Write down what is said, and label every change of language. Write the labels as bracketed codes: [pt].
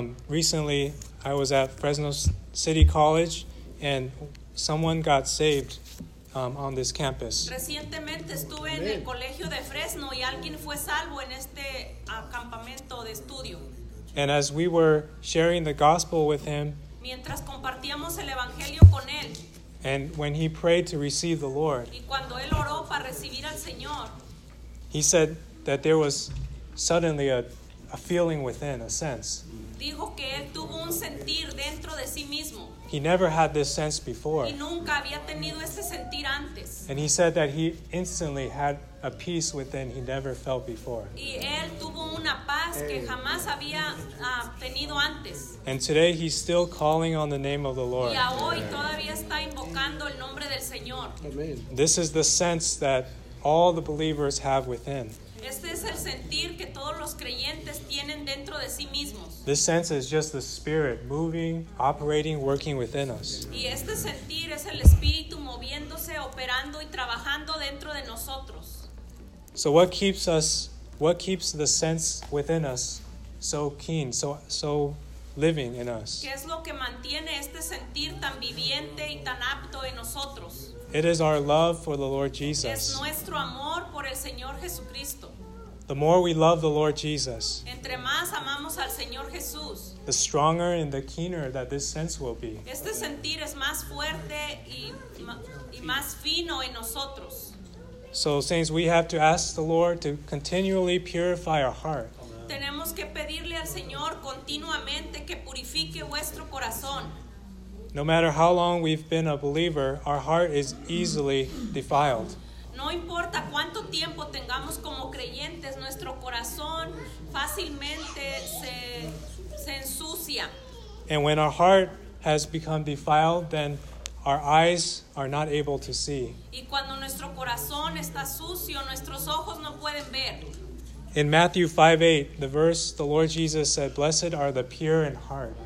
[en] Recently, I was at Fresno City College, and someone got saved on this campus. [es] Recientemente estuve en el colegio de Fresno y alguien fue salvo en este campamento de estudio. [en] And as we were sharing the gospel with him, [es] mientras compartíamos el evangelio con él, [en] and when he prayed to receive the Lord, [es] y cuando él oró para recibir al Señor, [en] he said that there was suddenly a feeling within, a sense. [es] Dijo que él tuvo un sentir dentro de sí mismo. [en] He never had this sense before. [es] Y nunca había tenido ese sentir antes. [en] And he said that he instantly had a peace within he never felt before. [es] Y él tuvo una paz que jamás había tenido antes. [en] And today he's still calling on the name of the Lord. [es] Y a hoy todavía está invocando el nombre del Señor. [en] Amen. This is the sense that all the believers have within. [es] Este es el sentir que todos los creyentes tienen dentro de sí mismos. [en] This sense is just the Spirit moving, operating, working within us. [es] Y este sentir es el Espíritu moviéndose, operando y trabajando dentro de nosotros. [en] So what keeps us, what keeps the sense within us so keen, so living in us? [es] ¿Qué es lo que mantiene este sentir tan viviente y tan apto en nosotros? [en] It is our love for the Lord Jesus. [es] Es nuestro amor por el Señor Jesucristo. [en] The more we love the Lord Jesus, [es] entre más amamos al Señor Jesús, [en] the stronger and the keener that this sense will be. [es] Este sentir es más fuerte y más fino en nosotros. [en] So, saints, we have to ask the Lord to continually purify our heart. [es] Tenemos que pedirle al Señor continuamente que purifique vuestro corazón. [en] No matter how long we've been a believer, our heart is easily defiled. [es] No importa cuánto tiempo tengamos como creyentes, nuestro corazón fácilmente se ensucia. [en] And when our heart has become defiled, then our eyes are not able to see. [es] Y cuando nuestro corazón está sucio, nuestros ojos no pueden ver. [en] In Matthew 5:8, the verse the Lord Jesus said, "Blessed are the pure in heart."